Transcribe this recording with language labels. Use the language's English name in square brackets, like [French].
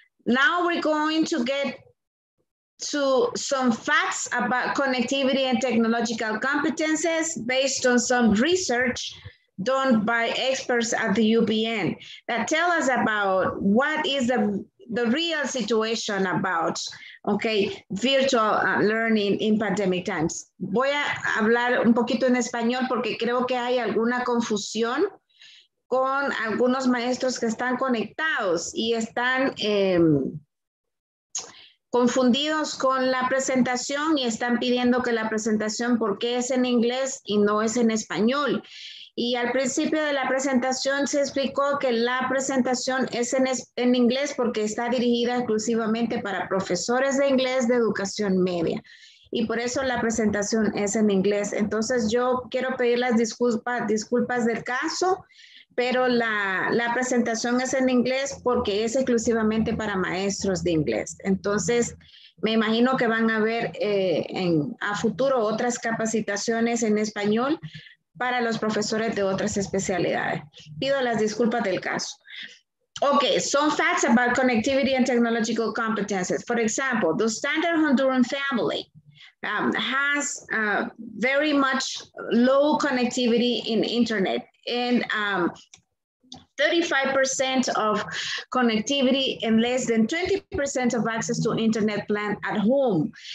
[English] Now we're going to get to some facts about connectivity and technological competences based on some research done by experts at the UPN that tell us about what is the the real situation about, okay, virtual learning in pandemic times. [Spanish] Voy a hablar un poquito en español porque creo que hay alguna confusión con algunos maestros que están conectados y están confundidos con la presentación y están pidiendo que la presentación, ¿por qué es en inglés y no es en español? Y al principio de la presentación se explicó que la presentación es en inglés porque está dirigida exclusivamente para profesores de inglés de educación media. Y por eso la presentación es en inglés. Entonces yo quiero pedir las disculpas del caso, pero la presentación es en inglés porque es exclusivamente para maestros de inglés. Entonces me imagino que van a haber a futuro otras capacitaciones en español para los profesores de otras especialidades. Pido las disculpas del caso. [English] Okay, some facts about connectivity and technological competences. For example, the standard Honduran family has very much low connectivity in internet, and 35% of connectivity and less than 20% of access to internet plan at home.